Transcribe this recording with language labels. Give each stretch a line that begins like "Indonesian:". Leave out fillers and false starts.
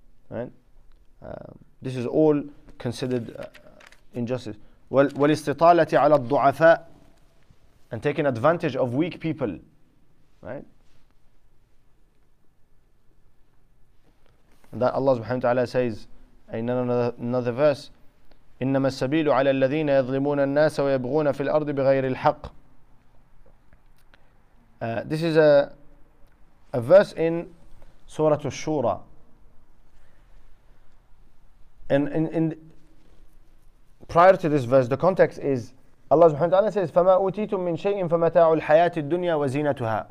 English: Right, this is all considered injustice.
Arabic: والاستطالة على الضعفاء
English: and taking advantage of weak people. Right, and that Allah subhanahu wa ta'ala says in another verse.
Arabic: إنما السبيل على الذين يظلمون الناس ويبغون في الأرض بغير الحق.
English: This is a verse in Surah Ash-Shura. In prior to this verse, the context is Allah Subhanahu wa Taala says,
Arabic: فما أوتيتم من شيء فمتاع الحياة الدنيا وزينتها.